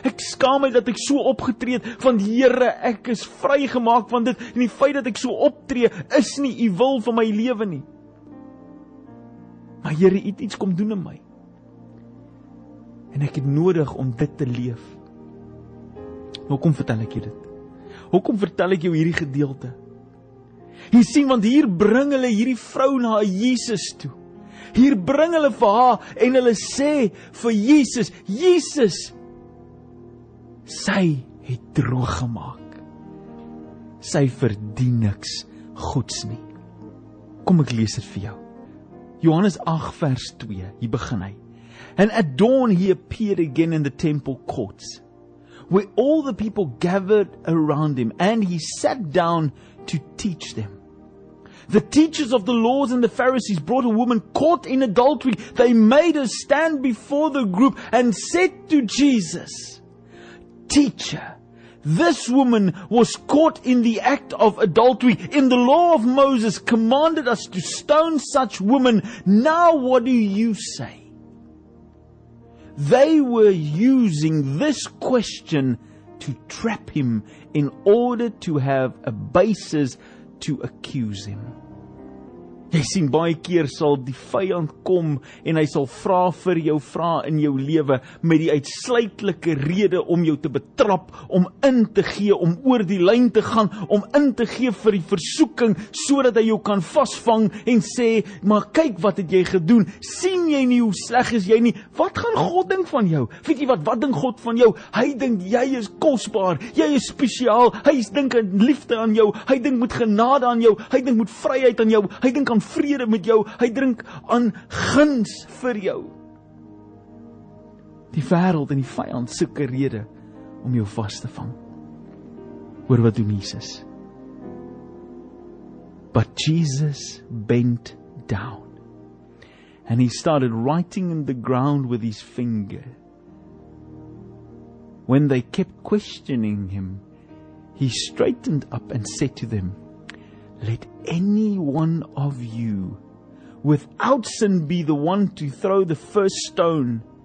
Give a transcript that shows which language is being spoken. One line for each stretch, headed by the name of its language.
Afrikaans: Ek skaam my dat ek so opgetree het, want Here, ek is vrygemaak van dit en die feit dat ek so optree is nie U wil vir my lewe nie. Maar Here, het iets kom doen in my. En ek het nodig om dit te leef. Hoekom vertel ek jou dit? Hoekom vertel ek jou hierdie gedeelte? Jy sien, want hier bring hulle hierdie vrou na Jesus toe. Hier bring hulle vir haar en hulle sê vir Jesus, Jesus, sy het droog gemaak. Sy verdien niks goeds nie. Kom ek lees dit vir jou. Johannes 8 vers 2, hier begin hy.
English: And at dawn he appeared again in the temple courts, where all the people gathered around him, and he sat down to teach them. The teachers of the laws and the Pharisees brought a woman caught in adultery. They made her stand before the group and said to Jesus, Teacher, this woman was caught in the act of adultery. In the law of Moses commanded us to stone such women. Now what do you say? They were using this question to trap him in order to have a basis to accuse him.
Afrikaans: Jy sien, baie keer sal die vyand kom en hy sal vra vir jou vra in jou lewe met die uitsluitlike rede om jou te betrap, om in te gee, om oor die lyn te gaan, om in te gee vir die versoeking, sodat hy jou kan vasvang en sê, maar kyk wat het jy gedoen, sien jy nie hoe sleg is jy nie, wat gaan God dink van jou, weet jy wat dink God van jou, hy dink jy is kosbaar, jy is spesiaal, hy dink in liefde aan jou, hy dink met genade aan jou, hy dink met vryheid aan jou, hy dink aan vrede met jou, hy drink aan guns vir jou. Die wêreld en die vyand soek 'n rede om jou vas te vang. Hoor wat doen Jesus.
English: But Jesus bent down and he started writing in the ground with his finger. When they kept questioning him, he straightened up and said to them, "Let any one of you without sin be the one to throw the first stone."